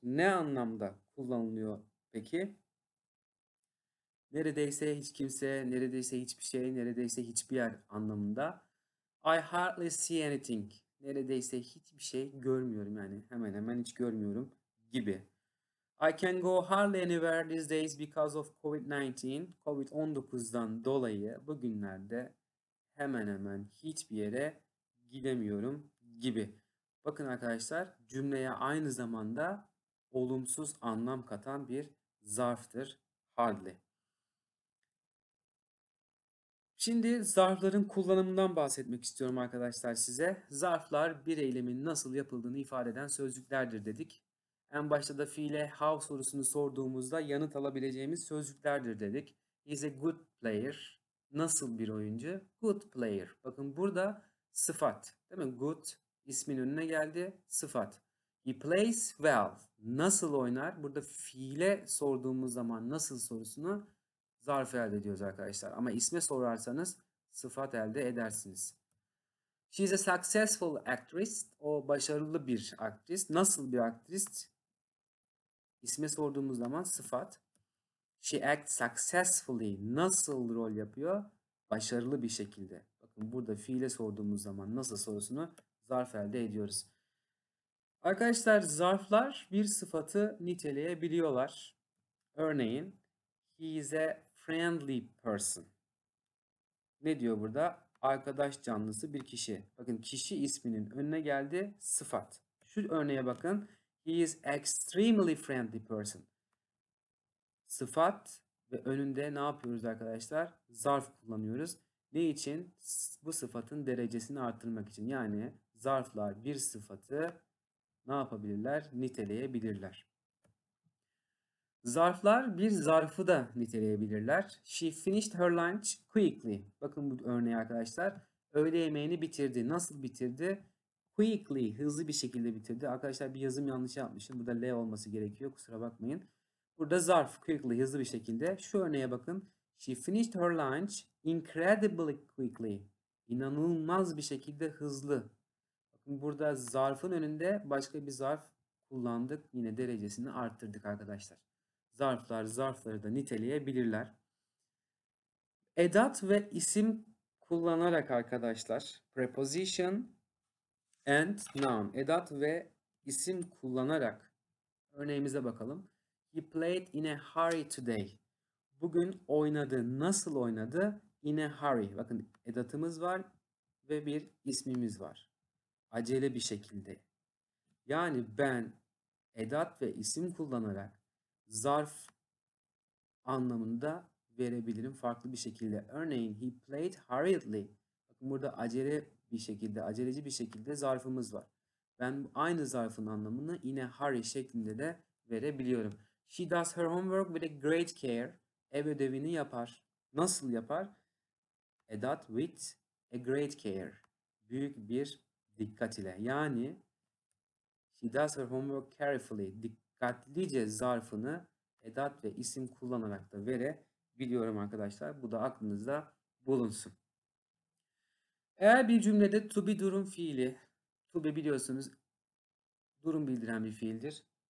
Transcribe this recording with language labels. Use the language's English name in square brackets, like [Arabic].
[Turkish] Ne anlamda kullanılıyor peki? Neredeyse hiç kimse, neredeyse hiçbir şey, neredeyse hiçbir yer anlamında. [English] I hardly see anything. [Turkish] Neredeyse hiçbir şey görmüyorum, yani hemen hemen hiç görmüyorum gibi. [English] I can go hardly anywhere these days because of COVID-19. [Turkish] COVID-19'dan dolayı bugünlerde hemen hemen hiçbir yere gidemiyorum gibi. Bakın arkadaşlar, cümleye aynı zamanda olumsuz anlam katan bir zarftır hardly. Şimdi zarfların kullanımından bahsetmek istiyorum arkadaşlar size. Zarflar bir eylemin nasıl yapıldığını ifade eden sözcüklerdir dedik. En başta da fiile how sorusunu sorduğumuzda yanıt alabileceğimiz sözcüklerdir dedik. [English] He's a good player. [Turkish] Nasıl bir oyuncu? [English] Good player. [Turkish] Bakın burada sıfat, değil mi? Good ismin önüne geldi. Sıfat. [English] He plays well. [Turkish] Nasıl oynar? Burada fiile sorduğumuz zaman nasıl sorusunu zarf elde ediyoruz arkadaşlar. Ama isme sorarsanız sıfat elde edersiniz. [English] She's a successful actress. [Turkish] O başarılı bir aktrist. Nasıl bir aktrist? İsme sorduğumuz zaman sıfat. [English] She acts successfully. [Turkish] Nasıl rol yapıyor? Başarılı bir şekilde. Bakın burada fiile sorduğumuz zaman nasıl sorusunu zarf elde ediyoruz. Arkadaşlar, zarflar bir sıfatı niteleyebiliyorlar. Örneğin, [English] he's a friendly person. [Turkish] Ne diyor burada? Arkadaş canlısı bir kişi. Bakın kişi isminin önüne geldi, sıfat. Şu örneğe bakın. [English] He is extremely friendly person. [Turkish] Sıfat ve önünde ne yapıyoruz arkadaşlar? Zarf kullanıyoruz. Ne için? Bu sıfatın derecesini arttırmak için. Yani zarflar bir sıfatı ne yapabilirler? Niteleyebilirler. Zarflar bir zarfı da niteleyebilirler. [English] She finished her lunch quickly. [Turkish] Bakın bu örneği arkadaşlar. Öğle yemeğini bitirdi. Nasıl bitirdi? Quickly, hızlı bir şekilde bitirdi. Arkadaşlar, bir yazım yanlışı yapmışım. Burada L olması gerekiyor. Kusura bakmayın. Burada zarf quickly, hızlı bir şekilde. Şu örneğe bakın. [English] She finished her lunch incredibly quickly. [Turkish] İnanılmaz bir şekilde hızlı. Bakın burada zarfın önünde başka bir zarf kullandık. Yine derecesini arttırdık arkadaşlar. Zarfları da niteleyebilirler. Edat ve isim kullanarak arkadaşlar, [English] preposition and noun, [Turkish] edat ve isim kullanarak örneğimize bakalım. [English] He played in a hurry today. [Turkish] Bugün oynadı. Nasıl oynadı? [English] In a hurry. [Turkish] Bakın edatımız var ve bir ismimiz var. Acele bir şekilde. Yani ben edat ve isim kullanarak zarf anlamında verebilirim farklı bir şekilde. [English] Örneğin he played hurriedly. [Turkish] Bakın burada acele bir şekilde, aceleci bir şekilde zarfımız var. Ben aynı zarfın anlamını [English] in a hurry [Turkish] şeklinde de verebiliyorum. [English] She does her homework with a great care. [Turkish] Ev ödevini yapar. Nasıl yapar? Edat [English] with a great care. [Turkish] Büyük bir dikkat ile. [English] Yani she does her homework carefully. [Turkish] Dikkatlice zarfını edat ve isim kullanarak da verebiliyorum arkadaşlar. Bu da aklınızda bulunsun. Eğer bir cümlede to be durum fiili, to be biliyorsunuz durum bildiren bir fiildir.